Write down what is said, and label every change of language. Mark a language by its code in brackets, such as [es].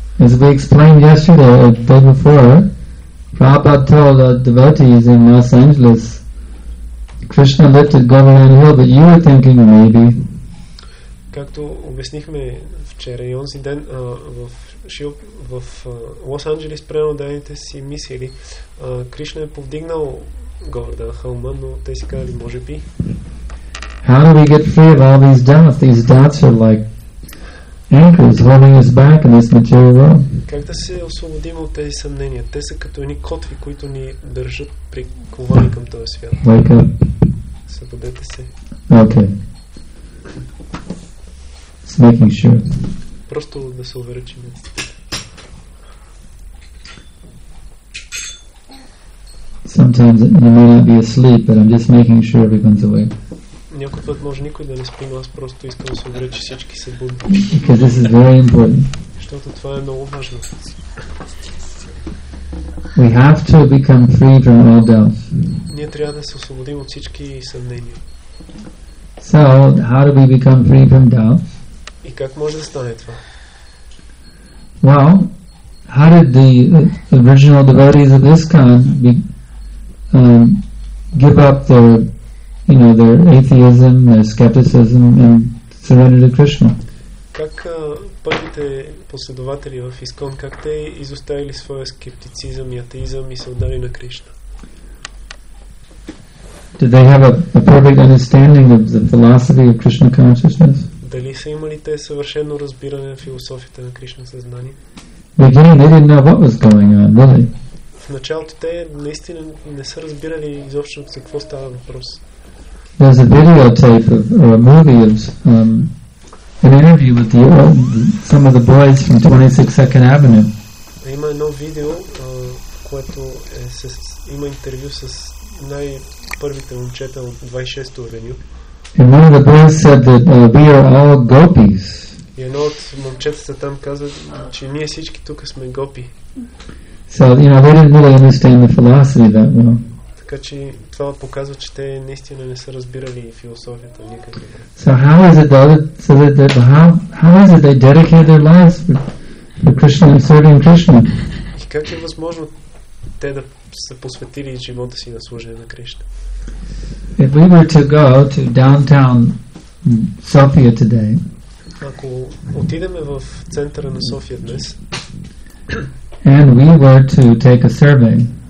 [en] As we explained yesterday or the day before, Prabhupada told the devotees in Los Angeles, Krishna lifted Govardhan Hill, but you were thinking maybe. [bg] Както обяснихме вчера и онзи ден в Шилп, в Лос-Анджелес прямо дайните си мислили Кришна е повдигнал Говардан хълма, но те си казали може би. [en] How do we get free of all these doubts? These doubts are like anchors holding us back in this material world. [bg] Как да се освободим от тези съмнения? Те са като едни котви, които ни държат приковани към този свят. [en] Wake up. [bg] Събудете се. [en] Okay. Just making sure. [bg] Просто да се уверим. [en] Sometimes you may not be asleep, but I'm just making sure everyone's awake. [bg] Някой път може никой да не спи, но аз просто искам да се уверя, че всички са будни. [en] Because this is very important. [bg] Защото това е много важно. [en] We have to become free from all doubts. [bg] Ние трябва да се освободим от всички съмнения. [en] So, how do we become free from doubts? [bg] И как може да стане това? [en] Well, how did the original devotees of ISKCON give up their, you know, their atheism, their skepticism, and surrender to Krishna? [bg] Как първите последователи в ИСКОН, как те изоставили своя скептицизъм и атеизъм и се отдали на Кришна? [en] Did they have a perfect understanding of the philosophy of Krishna consciousness? [bg] Дали са имали те съвършено разбиране на философията на Кришна съзнание? [en] Beginning, they didn't know what was going on, really. [bg] В началото те наистина не са разбирали изобщо за какво става въпрос. [en] There's a videotape of, or a movie of an interview with the, some of the boys from 26 Second Avenue. [bg] Има едно видео, което е с, има интервю с най-първите момчета от 26-то авеню. [en] And one of the boys said that we are all gopis. [bg] И едно от момчетата там каза, че ние всички тук сме гопи. [en] So, you know, they didn't really understand the philosophy that well. [bg] Така че това показва, че те наистина не са разбирали философията никак. [en] So how is it that how is it they dedicate their lives for Krishna and serving Krishna? [bg] И как е възможно те да са посветили живота си на служение на Кришна? [en] If we were to go to downtown Sofia today, [bg] ако отидеме в центъра на София днес, [en] and we were to take a survey,